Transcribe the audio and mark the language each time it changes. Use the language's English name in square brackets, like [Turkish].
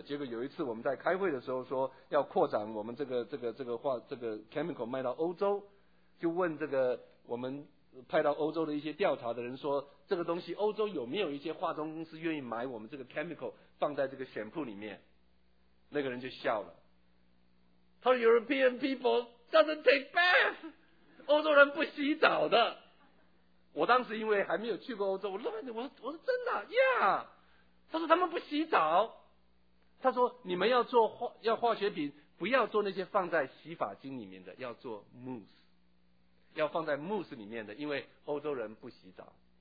[Chinese] 结果有一次我们在开会的时候说要扩展我们这个 chemical 卖到欧洲，就问这个我们派到欧洲的一些调查的人说，这个东西欧洲有没有一些化妆公司愿意买我们这个 chemical 放在这个选铺里面？那个人就笑了，他说 [English] European people doesn't take bath， [Chinese] 欧洲人不洗澡的。我当时因为还没有去过欧洲，我说真的呀、yeah。他说他们不洗澡，他说你们要做化学品，不要做那些放在洗发精里面的，要做 mousse， 要放在 mousse 里面的，因为欧洲人不洗澡。